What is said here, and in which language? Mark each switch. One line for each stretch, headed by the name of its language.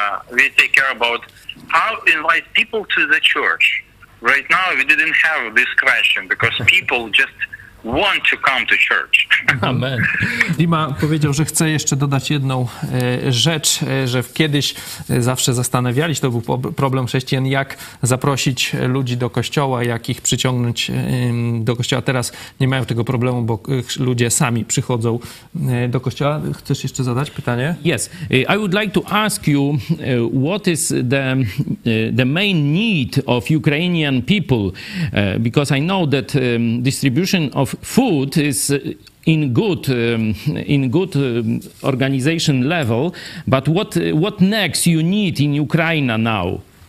English: We take care about how to invite people to the church. Right now we didn't have this question because people just want to come to church. Amen.
Polish: Dima powiedział, że chce jeszcze dodać jedną rzecz, że kiedyś zawsze zastanawiali się, to był problem chrześcijan, jak zaprosić ludzi do kościoła, jak ich przyciągnąć do kościoła. Teraz nie mają tego problemu, bo ludzie sami przychodzą do kościoła. Chcesz jeszcze zadać pytanie?
English: Yes. I would like to ask you what is the main need of Ukrainian people, because I know that distribution of food is in good organization level, but what next you need in Ukraine now?